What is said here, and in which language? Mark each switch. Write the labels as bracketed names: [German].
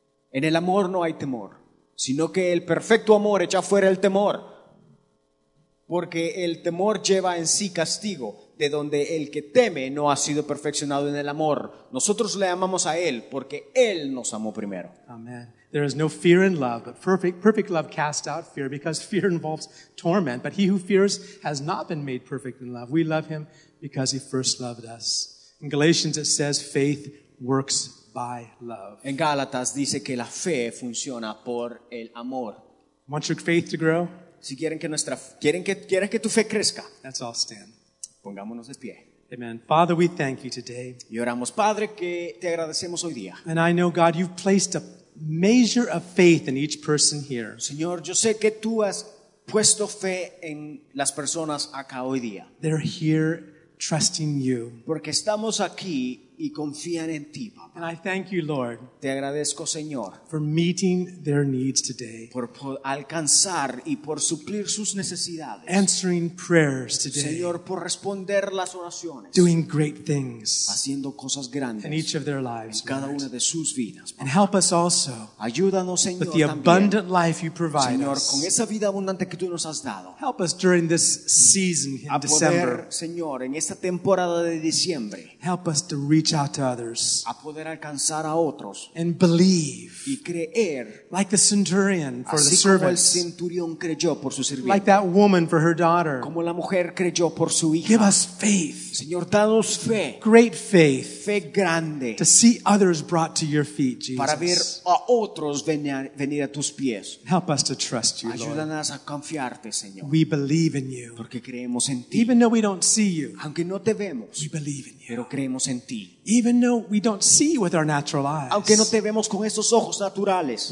[Spanish] En el amor no hay temor, sino que el perfecto amor echa fuera el temor. Porque el temor lleva en sí castigo, de donde el que teme no ha sido perfeccionado en el amor. Nosotros le amamos a él, porque él nos amó primero. Amén. [English] There is no fear in love, but perfect love casts out fear, because fear involves torment. But he who fears has not been made perfect in love. We love him because he first loved us. In Galatians it says faith works by love. [Spanish] En Gálatas dice que la fe funciona por el amor. [English] Want your faith to grow? [Spanish] Si quieren que nuestra quieren que tu fe crezca. [English] Let's all stand. [Spanish] Pongámonos de pie. [English] Amen. Father, we thank you today. [Spanish] Y oramos, Padre, que te agradecemos hoy día. [English] And I know, God, you've placed a measure of faith in each person here. [Spanish] Señor, yo sé que tú has puesto fe en las personas acá hoy día. [English] They're here trusting you. [Spanish] Porque estamos aquí y confían en ti, papá. [English] And I thank you, Lord, [Spanish] te agradezco, Señor, [English] for meeting their needs today. [Spanish] Por alcanzar y por suplir sus necesidades. [English] Answering prayers today. [Spanish] Señor, por responder las oraciones. [English] Doing great things. [Spanish] Haciendo cosas grandes. [English] In each of their lives. [Spanish] En cada una de sus vidas. [English] And help us also. [Spanish] Ayúdanos, Señor, [English] with the abundant life you provide. [Spanish] Señor, con esa vida abundante que tú nos has dado. [English] Help us during this season in December. [Spanish] Señor, en esta temporada de diciembre. [English] Help us to reach reach out to others [Spanish] a poder alcanzar a otros [English] and believe [Spanish] y creer [English] like the centurion for [Spanish] así [English] the servant [Spanish] como el centurión creyó por su sirviente [English] like that woman for her daughter [Spanish] como la mujer creyó por su hija. [English] Give us faith [Spanish] Señor, danos fe. [English] Great faith [Spanish] fe grande [English] to see others brought to your feet Jesus [Spanish] para ver a otros venir a tus pies [English] help us to trust you [Spanish] ayúdanos [English] Lord [Spanish] a confiarte, Señor. [English] We believe in you [Spanish] porque creemos en ti. [English] Even though we don't see you [Spanish] aunque no te vemos [English] we believe in you [Spanish] pero creemos en ti. [English] Even though we don't see with our natural eyes, [Spanish] aunque no te vemos con estos ojos naturales,